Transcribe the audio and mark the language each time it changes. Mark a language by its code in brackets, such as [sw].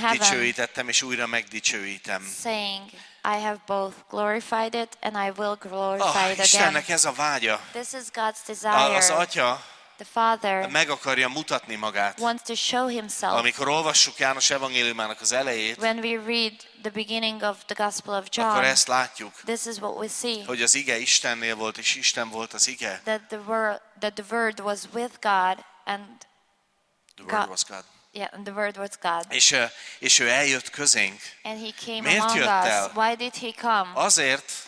[hu] megdicsőítettem, és újra megdicsőítem. [en] Saying, I have both glorified it and I will glorify it again. [hu] Istennek ez a vágya. [en] This is God's desire. [hu] Az Atya [en] the Father [hu] meg akarja mutatni magát. [en] Wants to show himself. [hu] Amikor olvassuk János evangéliumának az elejét, [en] when we read the beginning of the Gospel of John, [hu] akkor ezt látjuk. [en] This is what we see. [hu] Hogy az ige Istennél volt és Isten volt az ige. [en] That the word was with God and the word God was God. Yeah, and the word was God. [hu] És ő eljött közénk. [en] And he came [hu] Miért [en] among [hu] jött [en] us? [hu] El? [en] Why did he come? [hu] Azért.